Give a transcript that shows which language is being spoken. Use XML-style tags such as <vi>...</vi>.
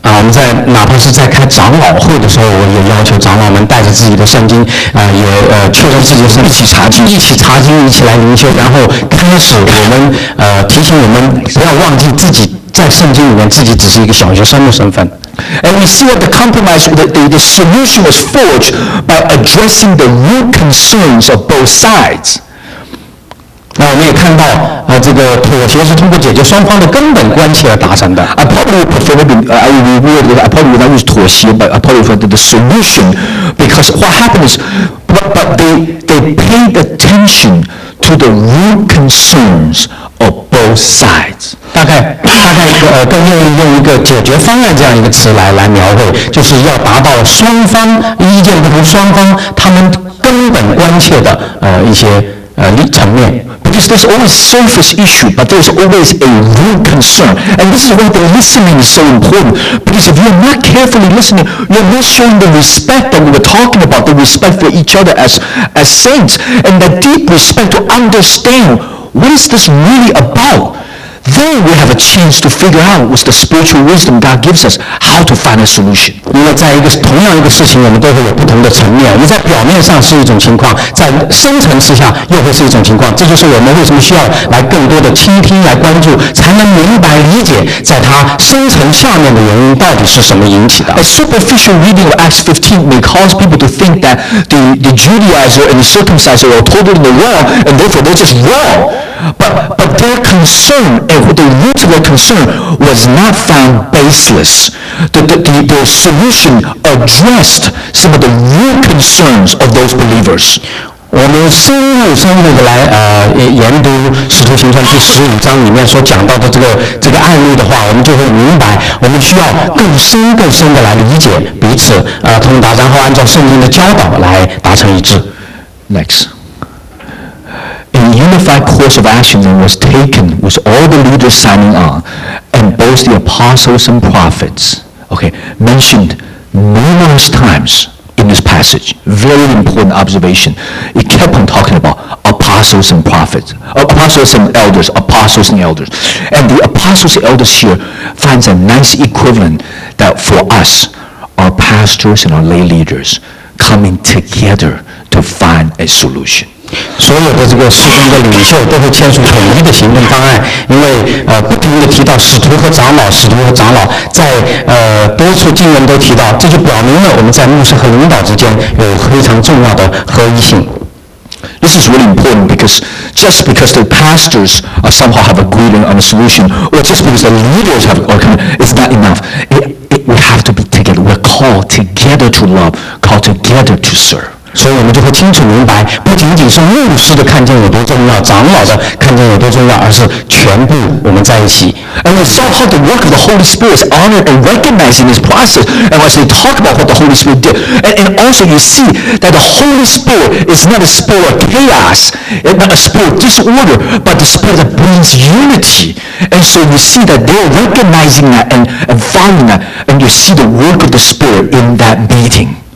<zh>我们在哪怕是在开长老会的时候，我也要求长老们带着自己的圣经，确认自己的圣经，一起查经，一起来灵修，然后开始我们提醒我们不要忘记自己在圣经里面自己只是一个小学生的身份。</zh> <en>And we see that the compromise, the solution was forged by addressing the root concerns of both sides.</en> <zh>那我们也看到，这个妥协是通过解决双方的根本关切而达成的。</zh> <en>I probably prefer the solution, because what happened is, but they paid attention to the root concerns of both sides.</en> <zh>大概更愿意用一个解决方案这样一个词来描绘，就是要达到双方意见不同，双方他们根本关切的一些层面。</zh> <en>Because there's always surface issue, but there's always a root concern, and this is why the listening is so important. Because if you're not carefully listening, you're not showing the respect that we were talking about, the respect for each other as saints, and the deep respect to understand what is this really about. Then we have a chance to figure out with the spiritual wisdom God gives us how to find a solution.</en> <zh>因为在一个同样一个事情，我们都会有不同的层面。我们在表面上是一种情况，在深层次下又会是一种情况。这就是我们为什么需要来更多的倾听、来关注，才能明白理解在它深层下面的原因到底是什么引起的。</zh> <en>A superficial reading of Acts 15 may cause people to think that the Judaizer and the circumciser are totally in the wrong, and therefore they're just wrong. But their concern, the root of their concern was not found baseless. The solution addressed some of the root concerns of those believers.</en> <zh>我们深入深入的来研读《使徒行传》第十五章里面所讲到的这个案例的话，我们就会明白，我们需要更深的来理解彼此通达，然后按照圣经的教导来达成一致。</zh> <en>Next. A unified course of action then was taken with all the leaders signing on, and both the apostles and prophets, okay, mentioned numerous times in this passage. Very important observation. He kept on talking about apostles and prophets, apostles and elders, apostles and elders. And the apostles and elders here finds a nice equivalent that for us, our pastors and our lay leaders coming together to find a solution.</en> <zh>所有的这个事工的领袖都会签署统一的行动方案，因为不停地提到使徒和长老，使徒和长老在多处经文都提到，这就表明了我们在牧师和领导之间有非常重要的合一性。</zh> <en>This is really important because just because the pastors are somehow have agreement on a solution, or just because the leaders have agreement, it's not enough. We have to be together. We're called together to love, called together to serve.</en> <zh>所以我们就会清楚明白，不仅仅是牧师的看见有多重要，长老的看见有多重要，而是全部我们在一起。</zh> <en>And somehow the work of the Holy Spirit is honored and recognized in this process. And as they talk about what the Holy Spirit did, and also you see that the Holy Spirit is not a spirit of chaos, not a spirit of disorder, but the spirit that brings unity. And so you see that they're recognizing that and finding that, and you see the work of the Spirit in that meeting.</en>